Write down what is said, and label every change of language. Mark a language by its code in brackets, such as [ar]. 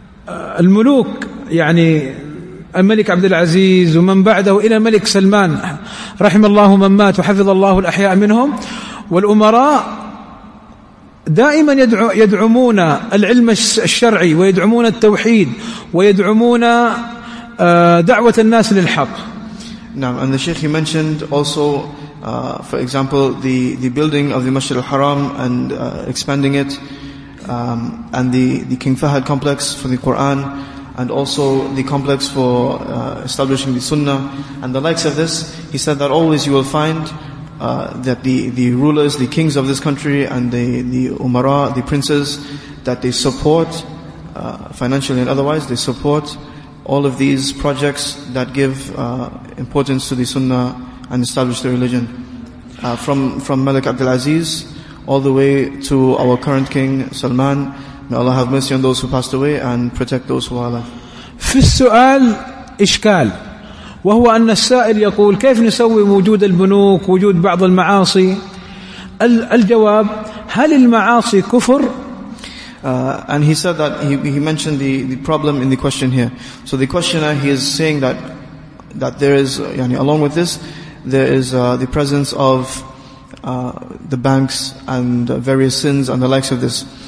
[ar] الملوك يعني الملك عبد العزيز ومن بعده إلى الملك سلمان رحم الله من مات وحفظ الله الأحياء منهم، والأمراء دائما يدعمون العلم الشرعي ويدعمون التوحيد ويدعمون دعوة الناس للحق. نعم. [en] And the Sheikh, he mentioned also for example the building of the Masjid al-Haram and expanding it, and the King Fahad complex for the Quran, and also the complex for establishing the Sunnah and the likes of this. He said that always you will find that the rulers, the kings of this country, and the umara, the princes, that they support financially and otherwise, they support all of these projects that give importance to the Sunnah and establish the religion, from Malik Abdul Aziz all the way to our current king Salman. May Allah have mercy on those who passed away and protect those who are alive. [ar] في السؤال إشكال، وهو أن السائل يقول كيف نسوي وجود البنوك وجود بعض المعاصي. الجواب، هل المعاصي كفر؟ [en] And he said that he mentioned the problem in the question here. So the questioner, he is saying that there is, along with this, there is the presence of the banks and various sins and the likes of this.